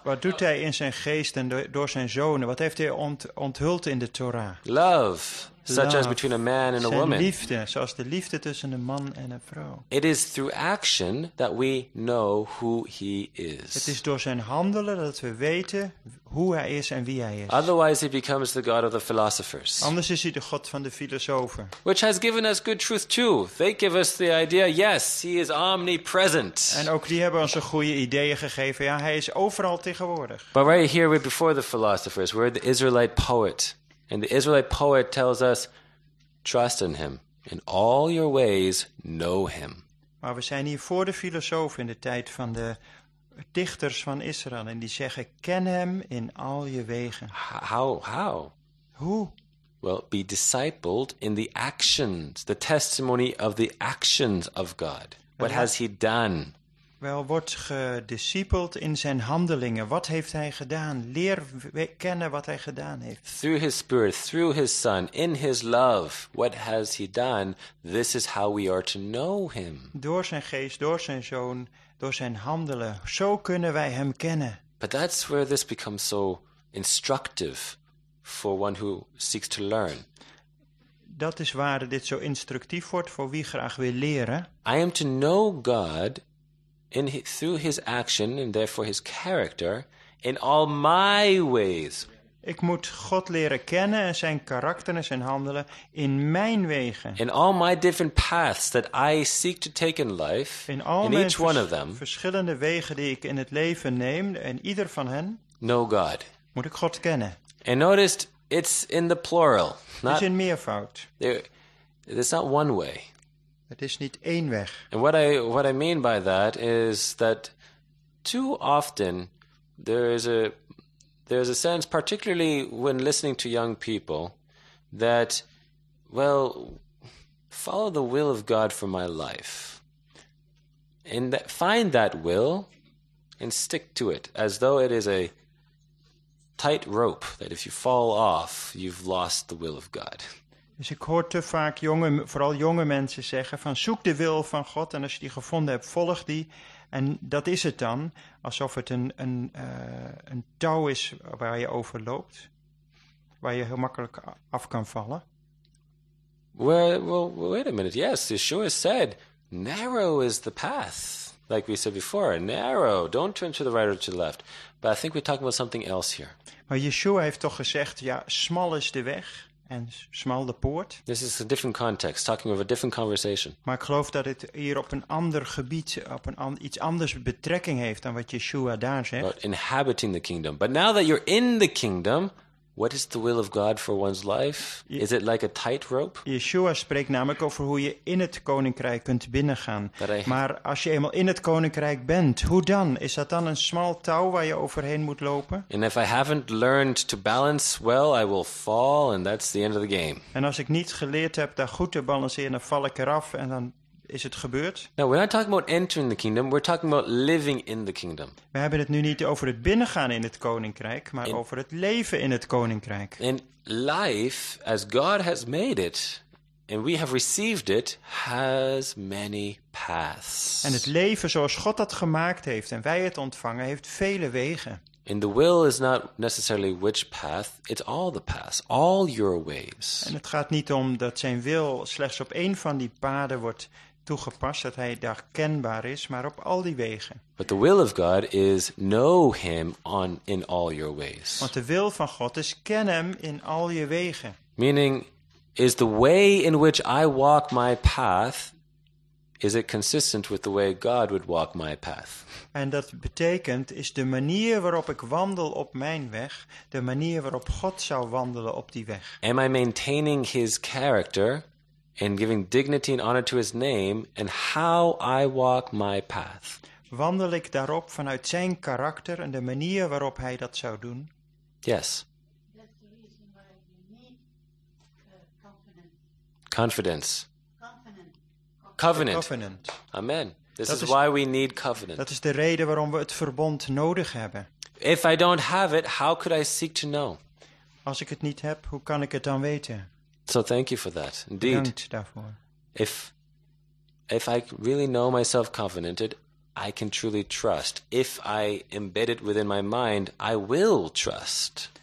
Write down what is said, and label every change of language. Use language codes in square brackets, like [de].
[nl] Wat doet hij in zijn geest en door zijn zonen? Wat heeft hij onthuld in de Torah? [en] Love, such as between a man and a woman. [nl] Zijn liefde, zoals de liefde tussen een man en een vrouw. [en] It is through action that we know who he is. [nl] Het is door zijn handelen dat we weten hoe hij is en wie hij is. [en] Otherwise he becomes the god of the philosophers. [nl] Anders is hij de god van de filosofen. [en] Which has given us good truth too. They give us the idea, yes, he is omnipresent. [nl] En ook die hebben onze goede ideeën gegeven. Ja, hij is overal tegenwoordig. [en] But right here we're before the philosophers. We're the Israelite poet. And the Israelite poet tells us, trust in him. In all your ways, know him. [nl] Maar we zijn hier voor de filosofen in de tijd van de dichters van Israël. En die zeggen, ken hem in al je wegen. [en] How? [nl] Hoe? [en] Well, be discipled in the actions, the testimony of the actions of God. What has he done? [nl] Wel, wordt gediscipeld in zijn handelingen. Wat heeft hij gedaan? Leer kennen wat hij gedaan heeft. [en] Through his spirit, through his son, in his love, what has he done? This is how we are to know him. [nl] Door zijn geest, door zijn zoon, door zijn handelen. Zo kunnen wij hem kennen. [en] But that's where this becomes so instructive for one who seeks to learn. [nl] Dat is waar dit zo instructief wordt voor wie graag wil leren. [en] I am to know God in through his action and therefore his character in all my ways. [nl] Ik moet God leren kennen en zijn karakter en zijn handelen in mijn wegen. [en] In all my different paths that I seek to take in life, [nl] in all mijn verschillende wegen die ik in het leven neem, en ieder van hen, [en] know God. [nl] Moet ik God kennen. [en] And notice it's in the plural. [nl] Het is in meervoud. [en] It's not one way. [nl] Het is niet één weg. [en] And what I mean by that is that too often there is a sense, particularly when listening to young people, that, well, follow the will of God for my life. And find that will and stick to it as though it is a tight rope that if you fall off, you've lost the will of God. [nl] Dus ik hoor te vaak jonge, vooral jonge mensen zeggen van zoek de wil van God en als je die gevonden hebt, volg die. En dat is het dan, alsof het een touw is waar je over loopt, waar je heel makkelijk af kan vallen. [en] Well, wait a minute. Yes, Yeshua said, narrow is the path. Like we said before, narrow. Don't turn to the right or to the left. But I think we're talking about something else here. [nl] Maar Yeshua heeft toch gezegd, ja, smal is de weg. En smal de poort. [en] This is a different context, talking of a different conversation. [nl] Maar ik geloof dat het hier op een ander gebied, op een iets anders betrekking heeft dan wat Yeshua daar zegt. [en] About inhabiting the kingdom. But now that you're in the kingdom, what is the will of God for one's life? Is it like a tightrope? [nl] Yeshua spreekt namelijk over hoe je in het koninkrijk kunt binnengaan. Maar als je eenmaal in het koninkrijk bent, hoe dan? Is dat dan een smal touw waar je overheen moet lopen? [en] And if I haven't learned to balance well, I will fall and that's the end of the game. [nl] En als ik niet geleerd heb daar goed te balanceren, dan val ik eraf en dan is het gebeurd. [en] Now, we're not talking about entering the kingdom, we're talking about living in the kingdom. [nl] We hebben het nu niet over het binnengaan in het koninkrijk, maar over het leven in het koninkrijk. [en] And life, as God has made it, and we have received it, has many paths. [nl] En het leven zoals God dat gemaakt heeft en wij het ontvangen, heeft vele wegen. [en] And the will is not necessarily which path, it's all the paths, all your ways. [nl] En het gaat niet om dat zijn wil slechts op één van die paden wordt toegepast, dat hij daar kenbaar is, maar op al die wegen. [en] But the will of God is know him on in all your ways. [nl] Want de wil van God is ken hem in al je wegen. [en] Meaning, is the way in which I walk my path, is it consistent with the way God would walk my path? [nl] En dat betekent, is de manier waarop ik wandel op mijn weg, de manier waarop God zou wandelen op die weg. [en] Am I maintaining his character and giving dignity and honor to his name and how I walk my path? [nl] Wandel ik daarop vanuit zijn karakter en de manier waarop hij dat zou doen? [en] Yes. Confidence. Covenant. Amen. This is why we need covenant. [nl] Dat is de reden waarom we het verbond nodig hebben. [en] If I don't have it, how could I seek to know? [nl] Als ik het niet heb, hoe kan ik het dan weten? [en] So thank you for that. Indeed. [nl] Bedankt daarvoor. [en] If I really know myself covenanted, I can truly trust. If I embed it within my mind, I will trust.